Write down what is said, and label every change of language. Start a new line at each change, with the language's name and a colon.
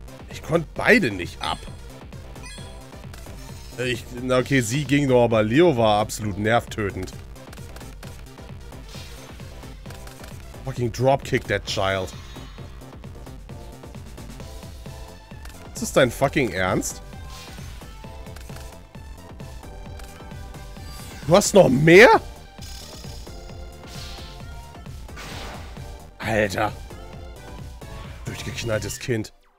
German: Ich konnte beide nicht ab. Okay, sie ging nur, aber Leo war absolut nervtötend.
English: Fucking dropkick that child.
German: Ist das dein fucking Ernst? Du hast noch mehr? Alter. Durchgeknalltes Kind.